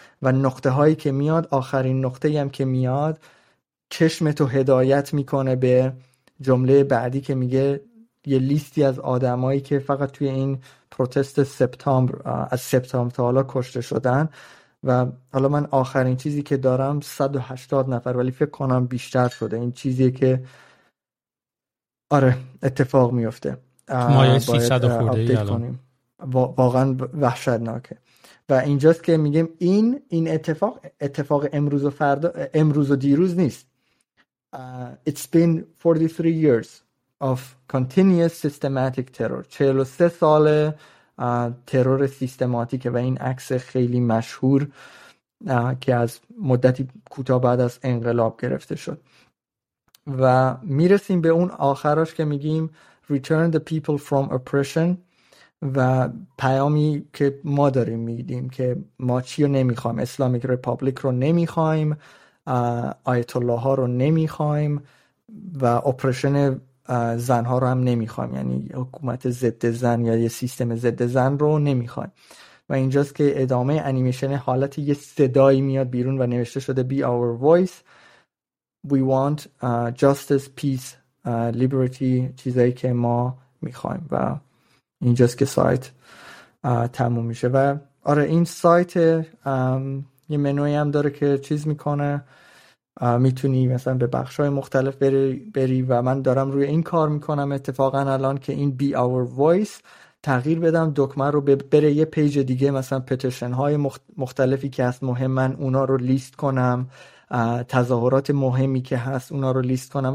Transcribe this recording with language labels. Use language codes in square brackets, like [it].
[fa] و نقطه هایی که میاد، آخرین نقطه هم که میاد چشمتو هدایت میکنه به جمله بعدی که میگه یه لیستی از آدمایی که فقط توی این پروتست سپتامبر از سپتامبر تا حالا کشته شدن، و حالا من آخرین چیزی که دارم 180 نفر، ولی فکر کنم بیشتر شده. این چیزیه که آره اتفاق میفته، باید 300 خورده کنیم. واقعا وحشتناکه. و اینجاست که میگم این اتفاق امروز و فردا، امروز و دیروز نیست. [en] It's been 43 years of continuous systematic terror. [fa] 43 سال ترور سیستماتیکه. و این عکس خیلی مشهور که از مدتی کوتاه بعد از انقلاب گرفته شد. و میرسیم به اون آخرش که میگیم [en] Return the people from oppression. [fa] و پیامی که ما داریم میدیم که ما چی رو نمیخوایم، اسلامیک ریپابلیک رو نمیخوایم، آیت الله ها رو نمیخوایم، و اپرشن زنها رو هم نمیخوایم، یعنی حکومت ضد زن یا یه سیستم ضد زن رو نمیخوایم. و اینجاست که ادامه انیمیشن حالت یه صدایی میاد بیرون و نوشته شده [en] Be our voice. We want justice, peace, liberty، [fa] چیزایی که ما میخوایم. و اینجاست که سایت تموم میشه. و آره این سایت یه منوی هم داره که چیز میکنه، میتونی مثلا به بخشای مختلف بری. و من دارم روی این کار میکنم اتفاقا الان که این Be Our Voice تغییر بدم، دکمه رو بره یه پیج دیگه، مثلا پتیشن های مختلفی که هست مهم، من اونا رو لیست کنم، تظاهرات مهمی که هست اونا رو لیست کنم.